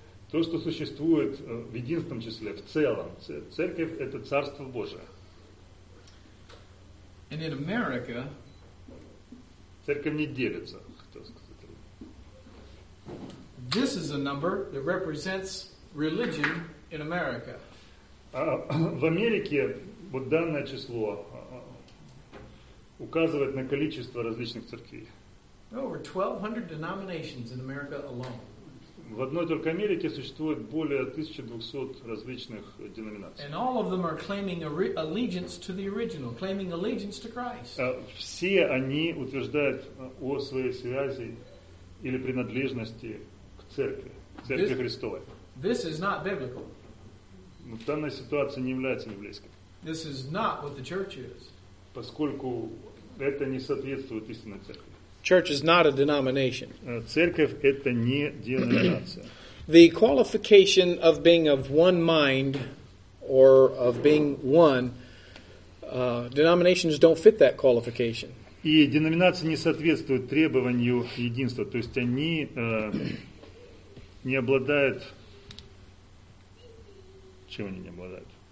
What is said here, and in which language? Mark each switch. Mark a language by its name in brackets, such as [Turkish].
[Russian] То, что существует в единственном числе, в целом. Церковь — это Царство Божие. [English] And in America, [Russian] церковь не делится, хотел сказать. [English] This is a number that represents religion in America. [Russian] В Америке вот данное число указывает на количество различных церквей. [English] Over 1,200 denominations in America alone. [Russian] В одной только Америке существует более 1200 различных деноминаций. [English] And all of them are claiming allegiance to the original, claiming allegiance to Christ. [Russian] Все они утверждают о своей связи или принадлежности к церкви this, Христовой. [English] This is not biblical. [Russian] Но данная ситуация не является библейской. [English] This is not what the church is. [Russian] Поскольку это не соответствует истинной церкви. [English] Church is not a denomination. [Russian] Церковь — это не деноминация. [English] The qualification of being of one mind or of being one, denominations don't fit that qualification. [Russian] И деноминация не соответствует требованию единства. То есть они не обладают... Чем они не обладают?